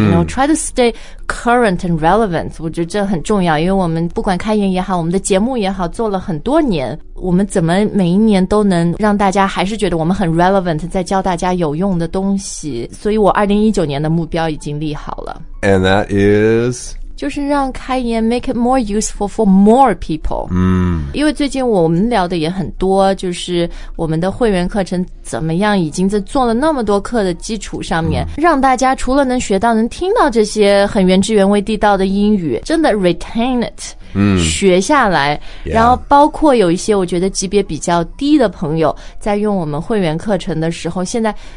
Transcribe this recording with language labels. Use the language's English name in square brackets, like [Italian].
[English] You know, try to stay current and relevant. [Chinese] 我觉得这很重要，因为我们不管开言也好，我们的节目也好，做了很多年，我们怎么每一年都能让大家还是觉得我们很 relevant， 在教大家有用的东西？所以我2019年的目标已经立好了。 [English] And that is... [Chinese] 就是让开言 [English] make it more useful for more people. [Chinese] 因为最近我们聊的也很多，就是我们的会员课程怎么样，已经在做了那么多课的基础上面、让大家除了能学到能听到这些很原汁原味地道的英语，真的 [English] retain it、 [Chinese] 学下来、然后包括有一些我觉得级别比较低的朋友在用我们会员课程的时候，现在